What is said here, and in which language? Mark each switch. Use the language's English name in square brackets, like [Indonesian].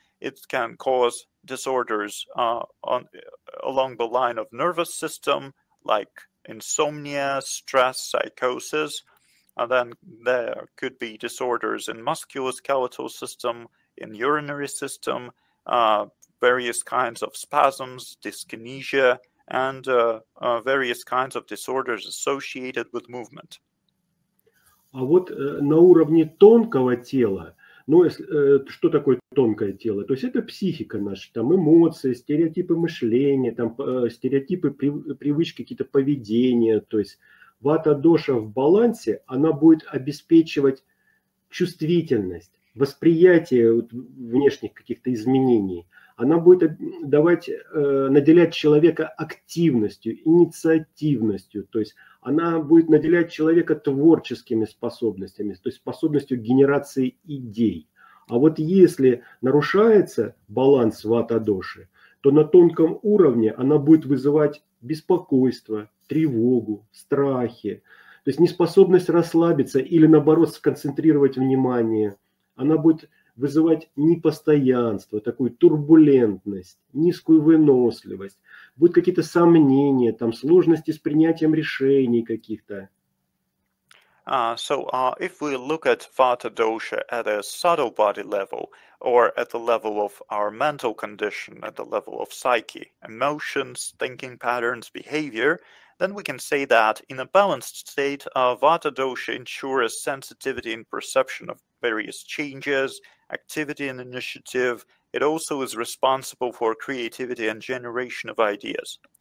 [English] It can cause disorders on along the line of nervous system, like insomnia, stress, psychosis, and then there could be disorders in musculoskeletal system, in urinary system, various kinds of spasms, dyskinesia, and various kinds of disorders associated with movement. [Russian] А вот на уровне тонкого тела, ну, что такое тонкое тело? То есть это психика наша, там эмоции, стереотипы мышления, там стереотипы привычки, какие-то поведения. То есть вата-доша в балансе, она будет обеспечивать чувствительность, восприятие внешних каких-то изменений. Она будет давать, наделять человека активностью, инициативностью. То есть она будет наделять человека творческими способностями, то есть способностью генерации идей. А вот если нарушается баланс вата-доши, то на тонком уровне она будет вызывать беспокойство, тревогу, страхи. То есть неспособность расслабиться или наоборот сконцентрировать внимание. Она будет вызывать непостоянство, такую турбулентность, низкую выносливость. Будут какие-то сомнения, там сложности с принятием решений каких-то. [English] If we look at vata dosha at a subtle body level, or at the level of our mental condition, at the level of psyche, emotions, thinking patterns, behavior, then we can say that in a balanced state, vata dosha ensures sensitivity and perception of various changes, activity and initiative. It also is responsible for creativity and generation of ideas.